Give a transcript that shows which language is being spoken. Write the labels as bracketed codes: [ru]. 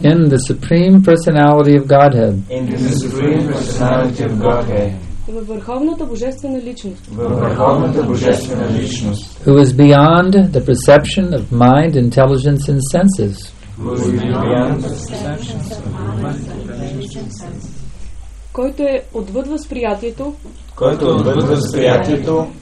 [en] In the supreme personality of Godhead. In the supreme personality of Godhead. [bg] Във върховната божествена личност. Във върховната божествена личност. [en] Who is beyond the perception of mind, intelligence and senses. Who is beyond the perception of mind, intelligence and senses. [bg] Който е отвъд възприятието. Който отвъд възприятието.